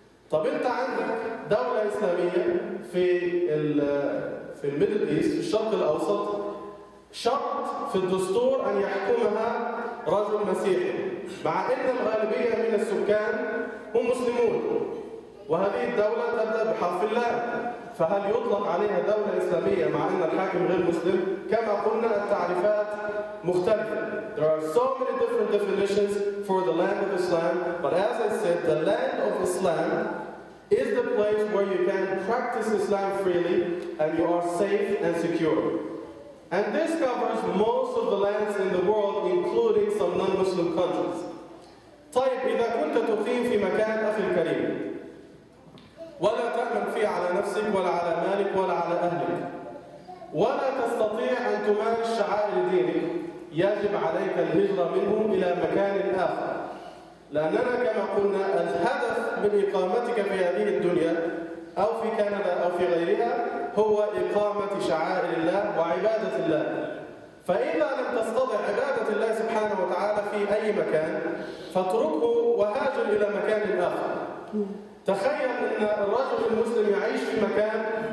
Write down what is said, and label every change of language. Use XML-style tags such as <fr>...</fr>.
<ar>طب أنت عندك دولة إسلامية في</ar> <en>الميدل إيست</en> <ar>في الشرق الأوسط شرط في الدستور أن يحكمها رجل مسيحي مع أن الغالبية من السكان هم مسلمون وهذه الدولة تبدأ بحرف اللام فهل يطلق عليها دولة إسلامية مع أن الحاكم غير مسلم؟ كما قلنا التعريفات مختلفة.</ar> <en>There are so many different definitions for the land of Islam, but as I said, the land of Islam is the place where you can practice Islam freely and you are safe and secure. And this comes most of the lands in the world, including some non-Muslim countries.</en> <ar>طيب إذا كنت تقيم في مكان أخي الكريم ولا تأمن فيه على نفسك ولا على مالك ولا على أهلك ولا تستطيع أن تمارس شعائر دينك يجب عليك الهجرة منهم إلى مكان آخر لأننا كما قلنا الهدف من إقامتك في هذه الدنيا أو في كندا أو في غيرها هو إقامة شعائر الله وعبادة الله فإذا لم تستطع عبادة الله سبحانه وتعالى في أي مكان فاتركه وهاجر إلى مكان آخر تخيل أن الرجل المسلم يعيش في مكان</ar>